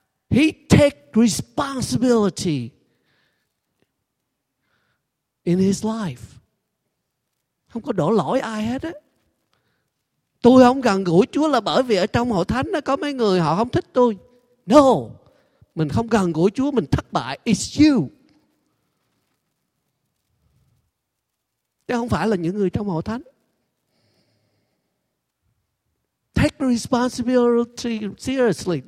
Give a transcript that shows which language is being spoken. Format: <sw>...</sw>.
<en>He take responsibility in his life.</en> <vi>Không có đổ lỗi ai hết á. Tôi không gần gũi Chúa là bởi vì ở trong hội thánh có mấy người họ không thích tôi.</vi> <en>No,</en> <vi>mình không gần gũi Chúa, mình thất bại.</vi> <en>It's you.</en> <vi>Chứ không phải là những người trong hội thánh.</vi> <en>take responsibility seriously.</en>